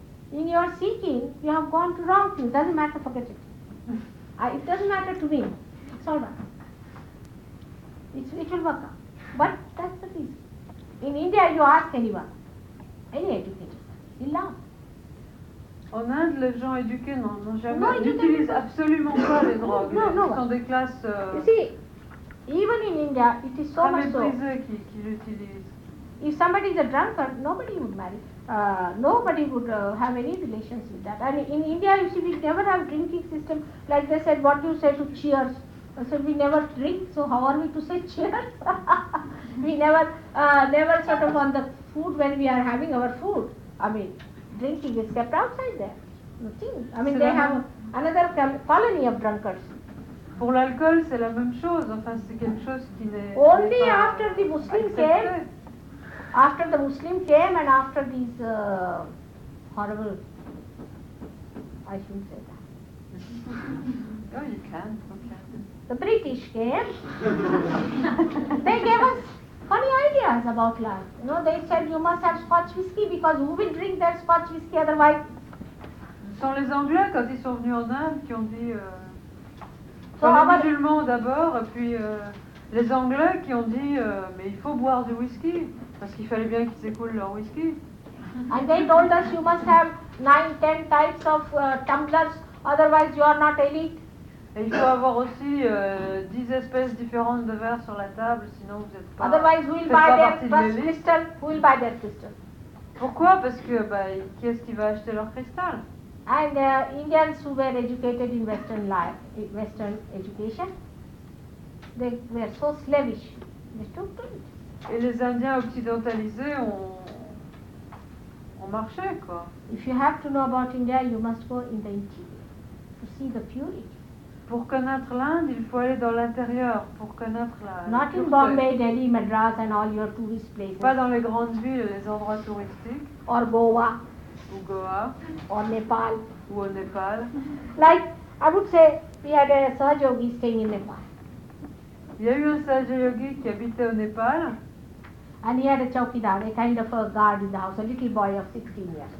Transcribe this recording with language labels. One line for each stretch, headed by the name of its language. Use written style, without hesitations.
English: In your seeking, you have gone to wrong things. Doesn't matter, forget it. It doesn't matter to me. It's all right. It will work out. But that's the reason. In India, you ask anyone, any educated person, he'll laugh.
French: En Inde, les gens éduqués n'utilisent absolument pas les drogues. Non. Ce sont des classes.
English: You see, even in India, it is so much so.
French: Qui l'utilisent.
English: If somebody is a drunkard, nobody would marry. Nobody would have any relations with that. And in India, you see, we never have drinking system. Like they said, what you say to cheers? I said, we never drink, so how are we to say cheers? We never sort of on the food when we are having our food. I mean. Drinking is kept outside there. Nothing. I mean,
French: c'est
English: they have another colony of drunkards.
French: Pour l'alcool, c'est la même chose. Enfin, c'est quelque chose qui n'est
English: only
French: n'est pas
English: after the Muslim
French: accepté.
English: Came. After the Muslim came and after these horrible. I shouldn't say that. Oh, you can. Okay. The British came. They gave us. Funny ideas about life. You know, they said you must have Scotch whiskey because who will drink their Scotch whiskey otherwise?
French: Sont les Anglais quand ils sont venus en Inde qui ont dit les musulmans d'abord, puis les Anglais qui ont dit mais il faut boire du whisky parce qu'il fallait bien qu'ils écoulent leur whisky.
English: And they told us you must have 9-10 types of tumblers, otherwise you are not elite.
French: Et il faut avoir aussi 10 espèces différentes de verres sur la table, sinon vous n'êtes pas.
English: Otherwise, we'll buy their crystal. We'll buy their crystal.
French: Pourquoi? Parce que qui est-ce qui va acheter leur cristal?
English: And Indians who were educated in Western life, Western education, they were so slavish. They took to it.
French: Et les Indiens occidentalisés ont marché quoi.
English: If you have to know about India, you must go in the interior to see the purity.
French: Pour connaître l'Inde, il faut aller dans l'intérieur pour connaître la.
English: Not in Bombay, Delhi, Madras, and all your tourist places.
French: Pas dans les grandes villes, les endroits touristiques.
English: Or Goa.
French: Ou Goa.
English: Or Nepal.
French: Ou au Népal.
English: Like I would say, we had a Sahaja Yogi staying in Nepal.
French: Il y a eu un Sahaja Yogi qui habitait au Népal.
English: And he had a chowkidar, a kind of a guard in the house, a little boy of 16 years.